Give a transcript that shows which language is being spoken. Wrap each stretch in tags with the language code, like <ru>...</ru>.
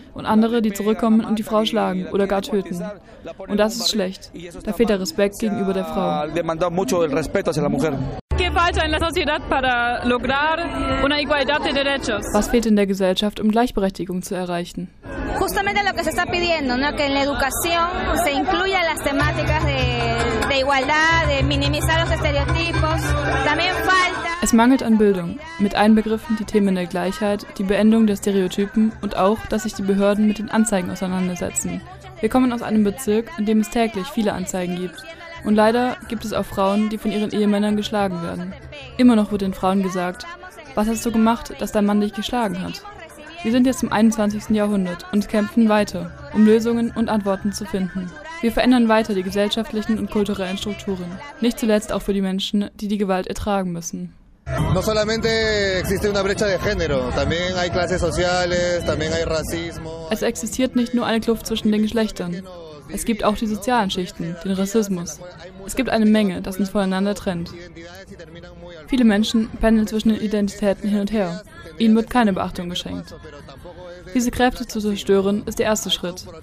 <de>Und andere, die zurückkommen und die Frau schlagen oder gar töten. Und das ist schlecht. Da fehlt der Respekt gegenüber der Frau. Was fehlt in der Gesellschaft, um Gleichberechtigung zu erreichen?</de> <es>Justamente lo que se está pidiendo, ¿no? Que en la educación se incluyan las temáticas de igualdad, de minimizar los estereotipos. También falta.</es> <de>Es mangelt an Bildung, mit einbegriffen die Themen der Gleichheit, die Beendung der Stereotypen und auch, dass sich die Behörden mit den Anzeigen auseinandersetzen. Wir kommen aus einem Bezirk, in dem es täglich viele Anzeigen gibt. Und leider gibt es auch Frauen, die von ihren Ehemännern geschlagen werden. Immer noch wird den Frauen gesagt, was hast du gemacht, dass dein Mann dich geschlagen hat? Wir sind jetzt im 21. Jahrhundert und kämpfen weiter, um Lösungen und Antworten zu finden. Wir verändern weiter die gesellschaftlichen und kulturellen Strukturen. Nicht zuletzt auch für die Menschen, die die Gewalt ertragen müssen.</de> <es>No solamente existe una brecha de género, también hay clases sociales, también hay racismo.</es> <de>Es existiert nicht nur eine Kluft zwischen den Geschlechtern. Es gibt auch die sozialen Schichten, den Rassismus. Es gibt eine Menge, das uns voneinander trennt. Viele Menschen pendeln zwischen den Identitäten hin und her. Ihnen wird keine Beachtung geschenkt. Diese Kräfte zu zerstören, ist der erste Schritt.</de>